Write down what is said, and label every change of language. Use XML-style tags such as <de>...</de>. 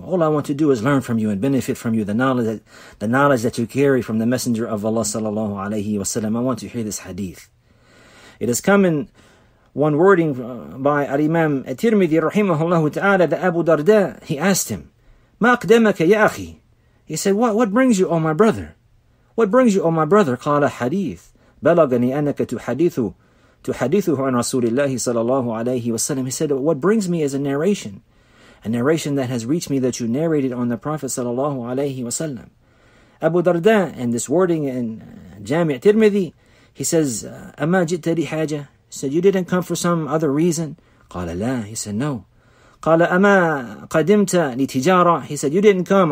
<en>All I want to do is learn from you and benefit from you, the knowledge that you carry from the Messenger of Allah sallallahu alayhi wa sallam. I want to hear this hadith. It has come in one wording by al-Imam al-Tirmidhi rahimahullahu ta'ala that Abu Darda, he asked him,</en> <ar>ما أقدمك يا أخي?</ar> <en>He said, what brings you, O my brother? What brings you, O my brother?</en> <ar>قال حديث بلغني أنك تحدثه عن رسول الله صلى الله عليه وسلم.</ar> <en>He said, what brings me is a narration that has reached me that you narrated on the Prophet صلى الله عليه وسلم. Abu Darda, and this wording in Jami' Tirmidhi, he says,</en> <ar>أما جئت لي حاجة?</ar> <en>He said, you didn't come for some other reason?</en> <ar>قال لا.</ar> <en>He said, no.</en> <ar>قال أما قدمت لتجارة?</ar> <en>He said, you didn't come.</en>